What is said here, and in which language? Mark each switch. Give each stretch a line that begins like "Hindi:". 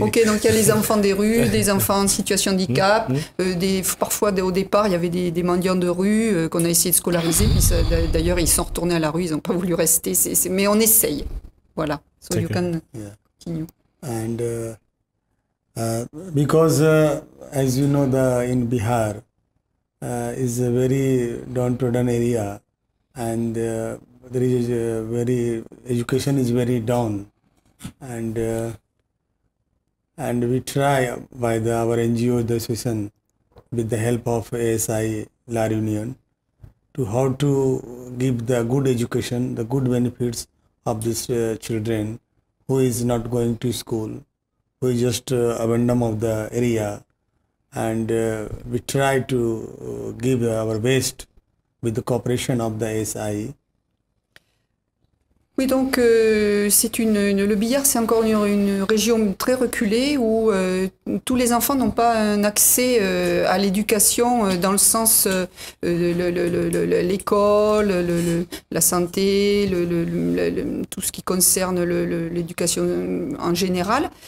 French: Ok, donc il y a les enfants des rues, des enfants en situation d'handicap, parfois au départ il y avait des mendiants de rue qu'on a essayé de scolariser, puis ça, d'ailleurs ils sont retournés à la rue, ils n'ont pas voulu rester. Mais on essaye. Voilà.
English: So you can continue. And because as you know, in Bihar is a very downtrodden area. And there is a very education is very down, and we try by the our NGO the association with the help of ASI Lar Union to how to give the good education, the good benefits of this children who is not going to school, who is just abandoned of the area, and we try to give our best. With the cooperation of the ASI.
French: Oui, donc c'est le Bihar, c'est encore une région très reculée où tous les enfants n'ont pas un accès à l'éducation dans le sens l'école, la santé, tout ce qui concerne l'éducation en général.